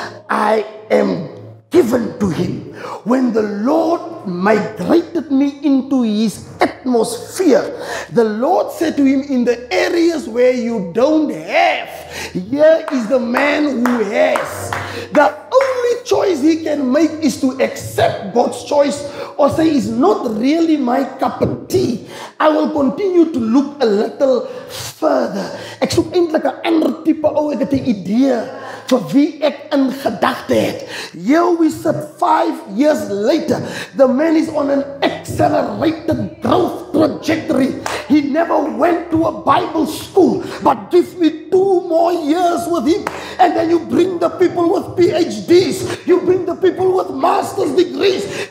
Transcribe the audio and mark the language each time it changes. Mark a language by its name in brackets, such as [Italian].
[English] I am given to him. When the Lord migrated me into his atmosphere, the Lord said to him, in the areas where you don't have, here is the man who has. The only choice he can make is to accept God's choice or say, it's not really my cup of tea. I will continue to look a little further. [Afrikaans] Ek soek eintlik 'n ander tipe ou, ek het 'n idee. For wie ek in gedagte het. [English] Here we sit 5 years later. The man is on an accelerated growth trajectory. He never went to a Bible school. But give me 2 more years with him. And then you bring the people with PhDs. You bring the people with master's degrees.